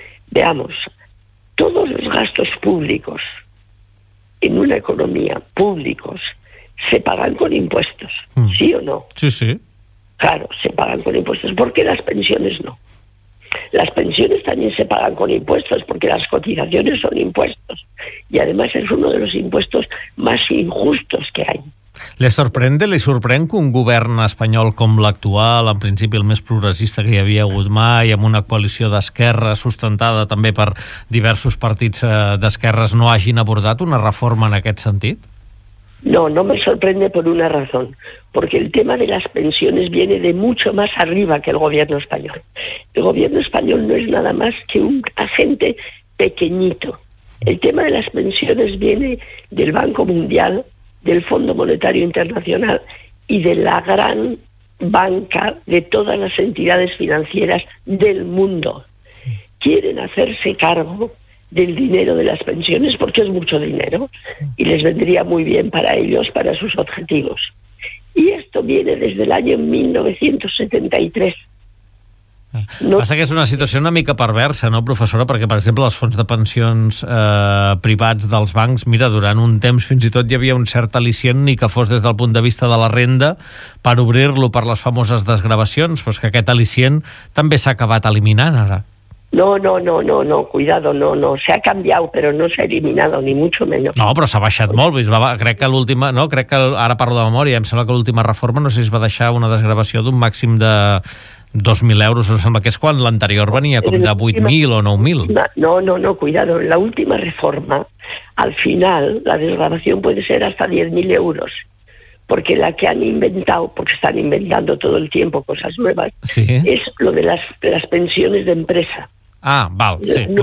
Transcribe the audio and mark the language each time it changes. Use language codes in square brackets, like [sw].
[es] Veamos, todos los gastos públicos en una economía públicos se pagan con impuestos, ¿sí o no? Sí, sí. Claro, se pagan con impuestos. ¿Por qué las pensiones no? Las pensiones también se pagan con impuestos, porque las cotizaciones son impuestos. Y además es uno de los impuestos más injustos que hay. [ca] ¿Le sorprèn que un govern espanyol com l'actual, en principi el més progressista que hi havia hagut mai, amb una coalició d'esquerres sustentada també per diversos partits d'esquerres, no hagin abordat una reforma en aquest sentit? [es] No me sorprende por una razón, porque el tema de las pensiones viene de mucho más arriba que el gobierno español. El gobierno español no es nada más que un agente pequeñito. El tema de las pensiones viene del Banco Mundial, del Fondo Monetario Internacional y de la gran banca de todas las entidades financieras del mundo. Quieren hacerse cargo del dinero de las pensiones, porque es mucho dinero, y les vendría muy bien para ellos, para sus objetivos. Y esto viene desde el año 1973. No. [ca] Passa que és una situació una mica perversa, no, professora? Perquè, per exemple, els fons de pensions privats dels bancs, mira, durant un temps fins i tot hi havia un cert al·licient, ni que fos des del punt de vista de la renda, per obrir-lo per les famoses desgravacions, però és que aquest al·licient també s'ha acabat eliminant ara. [es] No, cuidado, no. Se ha cambiado, pero no se ha eliminado, ni mucho menos. [ca] No, però s'ha baixat molt. Crec que l'última, no? Crec que ara parlo de memòria, em sembla que l'última reforma, no sé si es va deixar una desgravació d'un màxim de 2.000 euros, em sembla que és quan l'anterior venia com de 8.000 o 9.000. [es] No, cuidado, la última reforma, al final, la desgravació puede ser hasta 10.000 euros. Porque la que han inventado, porque están inventando todo el tiempo cosas nuevas, sí, es lo de las pensiones de empresa. Ah, vale, sí, no,